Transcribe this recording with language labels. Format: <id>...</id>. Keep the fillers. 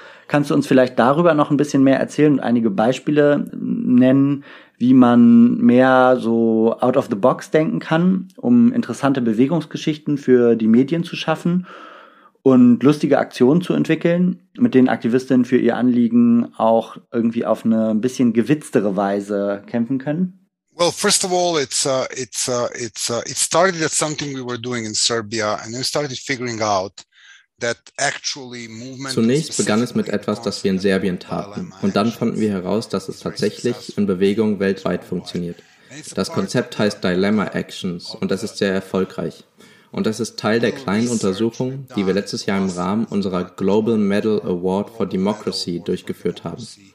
<de>Kannst du uns vielleicht darüber noch ein bisschen mehr erzählen und einige Beispiele nennen, wie man mehr so</de> <en>out of the box</en> <de>denken kann, um interessante Bewegungsgeschichten für die Medien zu schaffen und lustige Aktionen zu entwickeln, mit denen Aktivistinnen für ihr Anliegen auch irgendwie auf eine ein bisschen gewitztere Weise kämpfen können?</de> <en>Well, first of all, it's uh, it's uh, it's uh, it started as something we were doing in Serbia, and we started figuring out</en> <de>Zunächst begann es mit etwas, das wir in Serbien taten, und dann fanden wir heraus, dass es tatsächlich in Bewegung weltweit funktioniert. Das Konzept heißt Dilemma Actions und es ist sehr erfolgreich. Und das ist Teil der kleinen Untersuchung, die wir letztes Jahr im Rahmen unserer Global Medal Award for Democracy durchgeführt haben.</de>